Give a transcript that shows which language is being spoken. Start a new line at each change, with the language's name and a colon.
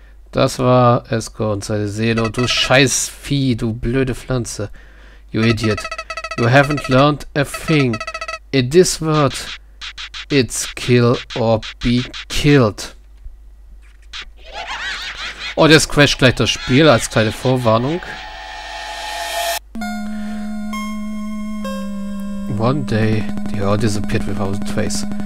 German: Das war Esko und seine Seele. Und du scheiß Vieh, du blöde Pflanze.
English: You idiot. You haven't learned a thing. In this world, it's kill or be killed.
German: Und jetzt crasht gleich das Spiel als kleine Vorwarnung.
English: One day, the hell disappeared without a trace.